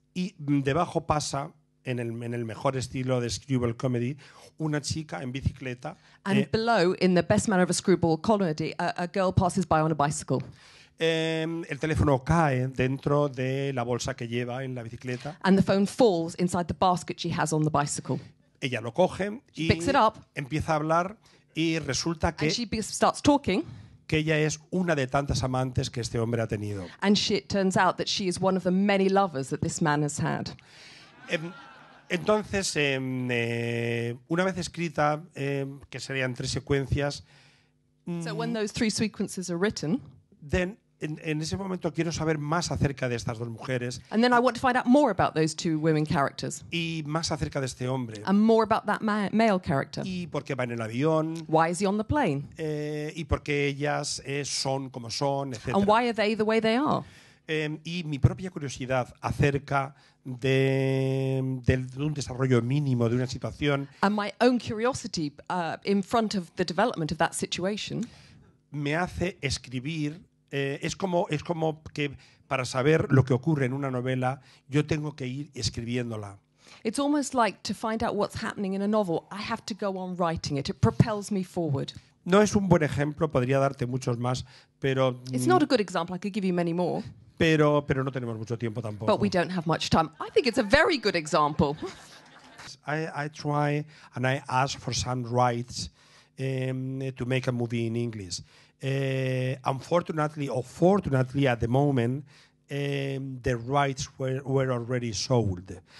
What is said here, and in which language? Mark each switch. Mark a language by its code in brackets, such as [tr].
[es] Y debajo pasa, en el mejor estilo de screwball comedy, una chica en bicicleta. [en] And below, in the best manner of a screwball comedy, a girl passes by on a bicycle. [es] El teléfono cae dentro de la bolsa que lleva en la bicicleta. [en] And the phone falls inside the basket she has on the bicycle. [es] Ella lo coge [en] y picks it up, [es] empieza a hablar y resulta que... [en] And she starts talking. [es] Que ella es una de tantas amantes que este hombre ha tenido. [en] And she, it turns out that she is one of the many lovers that this man has had. [es] Entonces, una vez escrita, que serían tres secuencias... [en] So when those three sequences are written... [es] Then, en ese momento, quiero saber más acerca de estas dos mujeres. [en] And then I want to find out more about those two women characters. [es] Y más acerca de este hombre. [en] And more about that male character. [es] Y por qué va en el avión. [en] Why is he on the plane? [es] Y por qué ellas son como son, etc. [en] And why are they the way they are? [es] Y mi propia curiosidad acerca de un desarrollo mínimo de una situación. [en] And my own curiosity in front of the development of that situation. [es] Me hace escribir. Es como que para saber lo que ocurre en una novela, yo tengo que ir escribiéndola. [en] It's almost like to find out what's happening in a novel, I have to go on writing it. It propels me forward. [es] No es un buen ejemplo, podría darte muchos más, pero... [en] It's not a good example, I could give you many more. [es] Pero no tenemos mucho tiempo tampoco. [en] But we don't have much time. I think it's a very good example. I try and I ask for some rights to make a movie in English. Unfortunately, or fortunately, at the moment, the rights were already sold.